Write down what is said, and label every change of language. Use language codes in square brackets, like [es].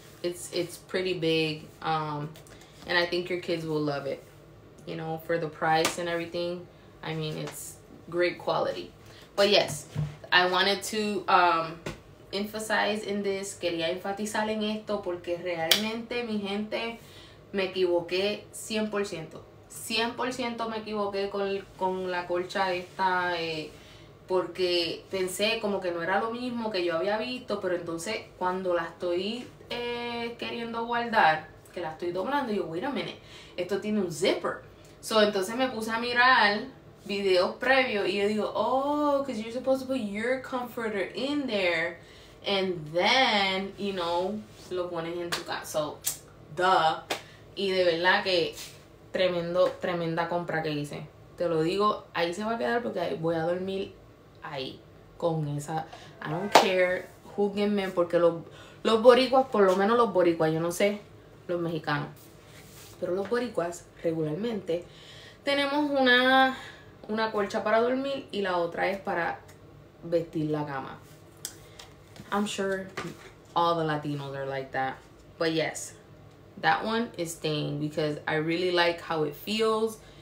[en] It's pretty big, and I think your kids will love it. You know, for the price and everything. I mean, it's great quality. But yes, I wanted to emphasize in this. [es] Quería enfatizar en esto porque realmente, mi gente, me equivoqué 100%. 100% me equivoqué con la colcha esta, porque pensé como que no era lo mismo que yo había visto, pero entonces cuando la estoy queriendo guardar, que la estoy doblando, yo, [en] wait a minute, [es] esto tiene un zipper. So, entonces me puse a mirar videos previos y yo digo, oh, [en] because you're supposed to put your comforter in there and then, you know, [es] lo pones en tu casa. [en] So, duh. [es] Y de verdad que tremenda compra que hice. Te lo digo, ahí se va a quedar porque voy a dormir ahí con esa. [en] I don't care, [es] júguenme, porque los boricuas, por lo menos los boricuas, yo no sé, los mexicanos, pero los boricuas regularmente tenemos una colcha para dormir y la otra es para vestir la cama. [en] I'm sure all the Latinos are like that. But yes, that one is staying because I really like how it feels.